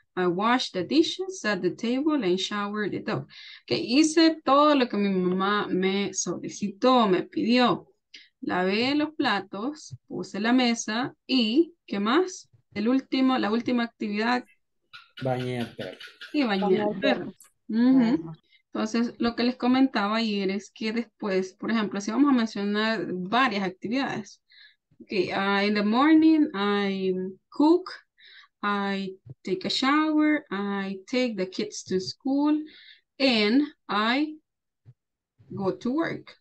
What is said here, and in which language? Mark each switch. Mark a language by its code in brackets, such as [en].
[en] I washed the dishes, set the table, and showered the dog. [es] Okay, hice todo lo que mi mamá me solicitó, me pidió. Lavé los platos, puse la mesa, y ¿qué más? La última actividad. Bañé al perro. Y bañé al perro. Entonces, lo que les comentaba ayer es que después, por ejemplo, si vamos a mencionar varias actividades. [en] Okay, in the morning, I cook, I take a shower, I take the kids to school, and I go to work.